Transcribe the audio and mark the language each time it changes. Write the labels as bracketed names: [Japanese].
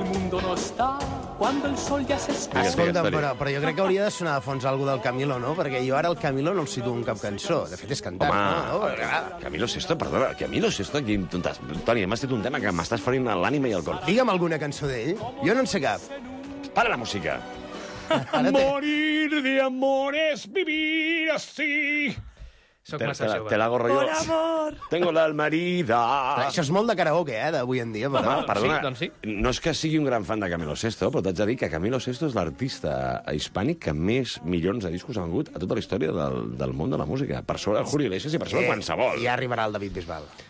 [Spanish] mundo no está cuando el sol ya se escapa. [Catalan] Escolta'm, però jo crec que hauria de sonar de fons algú del Camilo, no? Perquè jo ara el Camilo no el situo en cap cançó. De fet, és cantant, home, no? Home, no? Camilo Sesto, perdona, Camilo Sesto, Toni, m'has dit un tema que m'estàs ferint l'ànima i el cor. Digue'm alguna cançó d'ell. Jo no en sé cap. [Spanish] Para la música. Morir de amor es vivir así. Te la hago rollo. Por amor. Tengo la almerida. [Catalan] Això és molt de karaoke, eh, d'avui en dia. Però... Home, perdona, sí, doncs sí. No és que sigui un gran fan de Camilo Sesto, però t'haig de dir que Camilo Sesto és l'artista hispànic que més milions de discos ha vengut a tota la història del món de la música. Per sobre el Julio Iglesias i per sobre qualsevol. Ja arribarà el David Bisbal.